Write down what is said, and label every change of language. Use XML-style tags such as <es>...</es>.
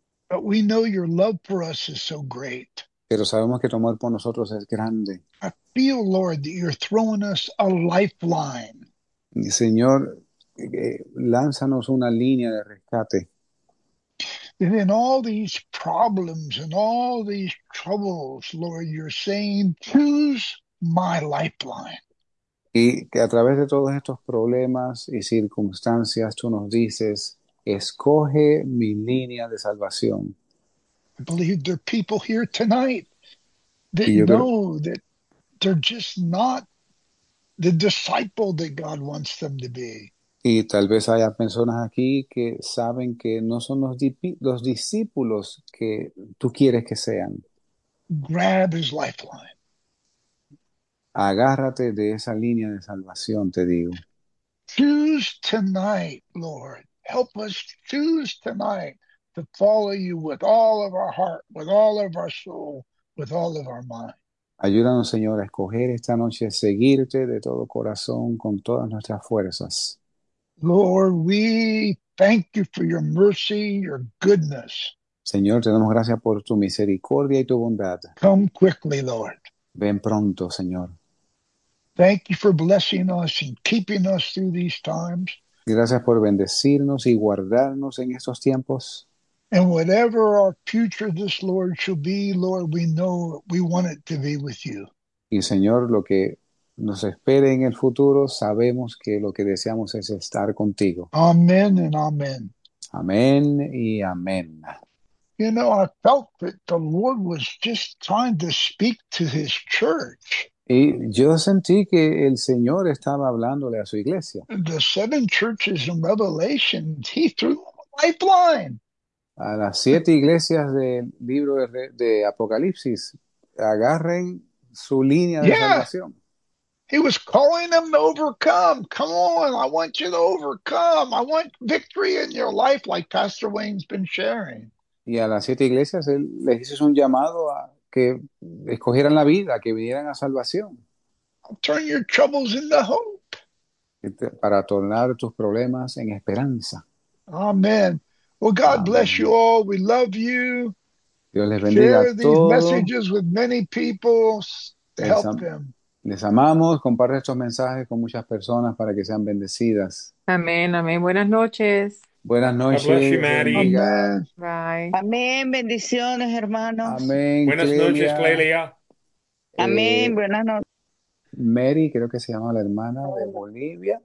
<en>But we know your love for us is so great.</en> <es>Pero sabemos que tu amor por nosotros es grande.</es> <en>I feel, Lord, that you're throwing us a lifeline.</en> <es>Señor, lánzanos una línea de rescate.</es> <en>And in all these problems and all these troubles, Lord, you're saying, choose my lifeline.</en> <es>Y que a través de todos estos problemas y circunstancias, tú nos dices, escoge mi línea de salvación.</es> <en>I believe there are people here tonight that</en> <es>Y yo creo.</es> <en>know that they're just not the disciple that God wants them to be.</en> <es>Y tal vez haya personas aquí que saben que no son los discípulos que tú quieres que sean.</es> <en>Grab his lifeline.</en> <es>Agárrate de esa línea de salvación, te digo.</es> <en>Choose tonight, Lord. Help us choose tonight to follow you with all of our heart, with all of our soul, with all of our mind.</en> <es>Ayúdanos, Señor, a escoger esta noche seguirte de todo corazón, con todas nuestras fuerzas.</es> <en>Lord, we thank you for your mercy, your goodness.</en> <es>Señor, te damos gracias por tu misericordia y tu bondad.</es> <en>Come quickly, Lord.</en> <es>Ven pronto, Señor.</es> <en>Thank you for blessing us and keeping us through these times.</en> <es>Gracias por bendecirnos y guardarnos en estos tiempos.</es> <en>And whatever our future, this Lord, shall be, Lord, we know we want it to be with you.</en> <es>Y Señor, lo que nos espere en el futuro, sabemos que lo que deseamos es estar contigo.</es> <en>Amen and amen.</en> <es>Amén y amén.</es> <en>You know, I felt that the Lord was just trying to speak to his church.</en> <es>Y yo sentí que el Señor estaba hablándole a su iglesia.</es> <en>The seven churches in Revelation, he threw a lifeline.</en> <es>A las siete iglesias del libro de Apocalipsis, agarren su línea de</es> <en>Yeah.</en> <es>salvación.</es> <en>He was calling them to overcome. Come on, I want you to overcome. I want victory in your life, like Pastor Wayne's been sharing.</en> <es>Y a las siete iglesias él les hizo un llamado a que escogieran la vida, que vinieran a salvación,</es> <en>I'll turn your troubles into hope.</en> <es>para tornar tus problemas en esperanza.</es> <en>Amen. Well, God bless you</en> <es>Amén.</es> <en>all. We love you.</en> <es>Dios les bendiga a</es> <en>Share these</en> <es>todos.</es> <en>messages with many people to help them.</en> <es>Les amamos. Comparte estos mensajes con muchas personas para que sean bendecidas. Amén, amén. Buenas noches. Buenas</es> <en>God bless you,</en> <es>noches,</es> <en>Maddie.</en> <es>amiga. Amén. Bye. Amén. Bendiciones, hermanos. Amén, Buenas noches, Clelia. Clelia. Amén. Buenas noches. Mary, creo que se llama la hermana de Bolivia.</es>